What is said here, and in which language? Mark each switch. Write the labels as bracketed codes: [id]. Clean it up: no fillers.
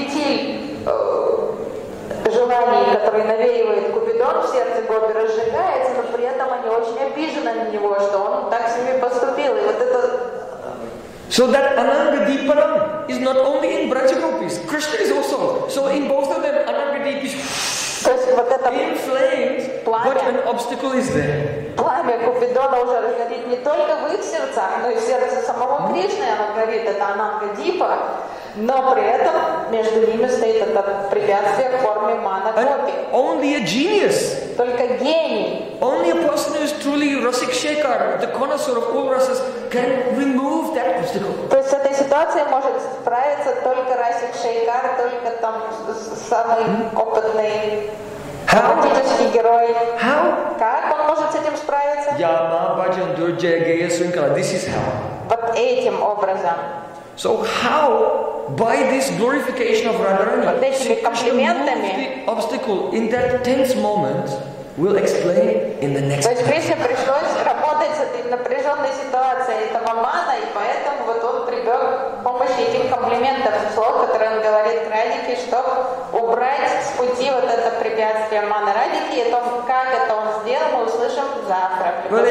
[ru] Желание, которое навеивает Купидон в сердце Гопи, разжигается, но при этом они очень обижены на него, что он так с ними поступил. И вот это... [en] So that Anangadipanam is not only in Brajagopis, Krishna is also. So in both of them, Anangadipis [ru] вот [en] inflames, [ru] пламя, [en] but an obstacle is there. [ru] Пламя Купидона уже горит не только в их сердцах, но и в сердце самого Кришны оно горит, это Анангадипа. Но при этом между ними стоит это препятствие в форме мана Гопи. [en] Only a genius. [ru] Только гений. [en] Only a person who is truly Rasik Shekhar, the connoisseur of all rasas, can remove that obstacle. [ru] То есть с этой ситуацией может справиться только Расик Шейкар, только там самый опытный политический герой. [en] How? [ru] Как он может с этим справиться? [sa] Яма Баджан Дурджая Гея Свинкала. [en] This is how. [ru] Вот этим образом. [en] So how, by this glorification of Radharani, Krishna moved the obstacle in that tense moment, we'll explain in the next. [ru] То есть Кришне пришлось работать с этой напряженной ситуацией этого мана, и поэтому вот он прибег к помощи этих комплиментов, слов, которые он говорит к Радике, чтобы убрать с пути вот это препятствие мана Радики, и о том, как это он сделал, мы услышим завтра.